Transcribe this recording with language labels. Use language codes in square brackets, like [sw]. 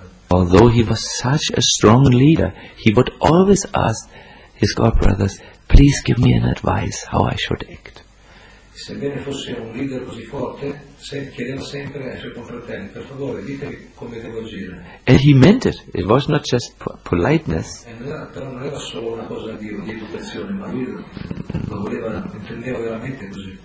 [en] Although he was such a strong leader, he would always ask his god brothers, please give me an advice how I should act. [it] Sebbene fosse un leader così forte, chiedeva sempre ai suoi confratelli, per favore, ditemi come devo agire. [en] And he meant it. It was not just politeness. [it] Però non era solo una cosa di educazione, ma lui lo voleva, intendeva veramente così.